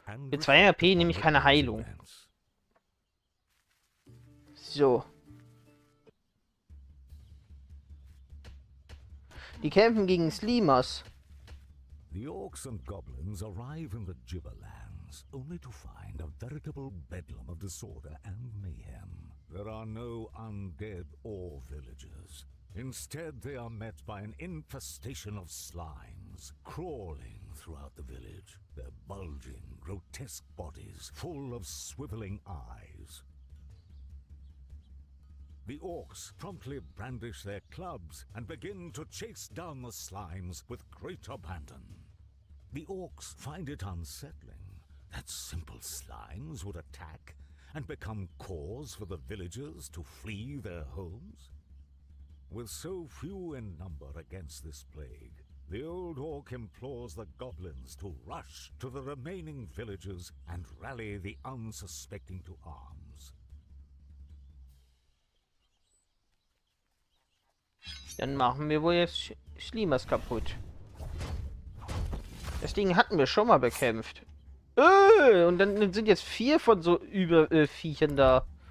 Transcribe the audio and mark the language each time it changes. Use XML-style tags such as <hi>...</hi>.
<de>Mit 2 HP nehme ich keine Heilung. So. Die kämpfen gegen Slimas.</de> <en>The Orks and Goblins arrive in the Gibberlands, only to find a veritable bedlam of disorder and mayhem. There are no undead or villagers. Instead, they are met by an infestation of slimes crawling throughout the village. Their bulging, grotesque bodies full of swiveling eyes. The orcs promptly brandish their clubs and begin to chase down the slimes with great abandon. The orcs find it unsettling that simple slimes would attack and become cause for the villagers to flee their homes. With so few in number against this plague, the old orc implores the goblins to rush to the remaining villagers and rally the unsuspecting to arms.</en> <de>Dann machen wir wohl jetzt Slimas kaputt. Das Ding hatten wir schon mal bekämpft. Und dann sind jetzt 4 von so über Viechern da.</de>